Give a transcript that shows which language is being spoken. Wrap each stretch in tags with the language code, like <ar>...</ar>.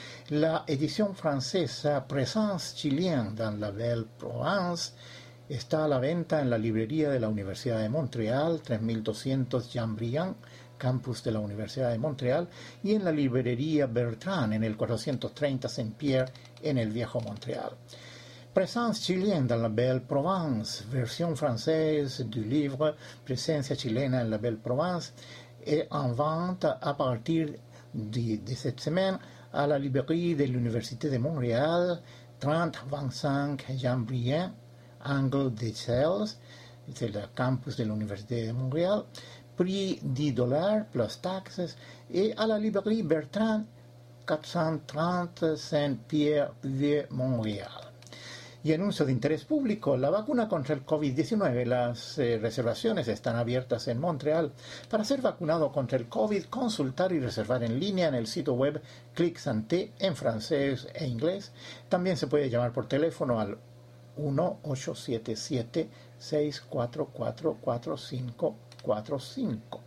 <es>La edición francesa Présence Chilienne dans la Belle Provence está a la venta en la librería de la Universidad de Montreal, 3200 Jean Briand, campus de la Universidad de Montreal, y en la librería Bertrand, en el 430 Saint-Pierre, en el Viejo Montreal.</es> <fr>Présence Chilienne dans la Belle Provence, versión française du livre Presencia Chilena en la Belle Provence, est en vente à partir de cette semaine à la librairie de l'Université de Montréal, 3025 Jean Briand, angle de Sales, c'est le campus de l'Université de Montréal, prix $10 plus taxes, et à la librairie Bertrand, 430 Saint-Pierre de Montréal.</fr> <es>Y anuncio de interés público, la vacuna contra el COVID-19, las reservaciones están abiertas en Montreal. Para ser vacunado contra el COVID, consultar y reservar en línea en el sitio web Clic Santé en francés e inglés. También se puede llamar por teléfono al 1-877-644-4545.</es>